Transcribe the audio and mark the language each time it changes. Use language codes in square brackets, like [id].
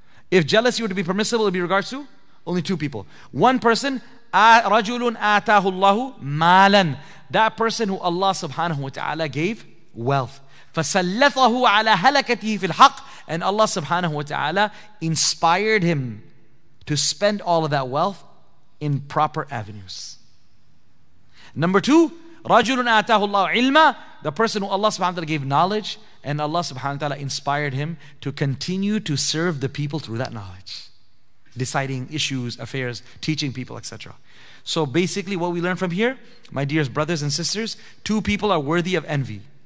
[en] If jealousy were to be permissible, it would be regards to only two people. One person, [ar] rajulun atahu Allahu malan. [en] That person who Allah subhanahu wa ta'ala gave wealth. [ar] فَسَلَّثَهُ عَلَى هَلَكَتِهِ فِي الْحَقِّ. [en] And Allah subhanahu wa ta'ala inspired him to spend all of that wealth in proper avenues. Number two, [ar] رَجُلٌ آتَاهُ اللَّهُ عِلْمًا. [en] The person who Allah subhanahu wa ta'ala gave knowledge, and Allah subhanahu wa ta'ala inspired him to continue to serve the people through that knowledge. Deciding issues, affairs, teaching people, etc. So basically what we learn from here, my dear brothers and sisters, two people are worthy of envy.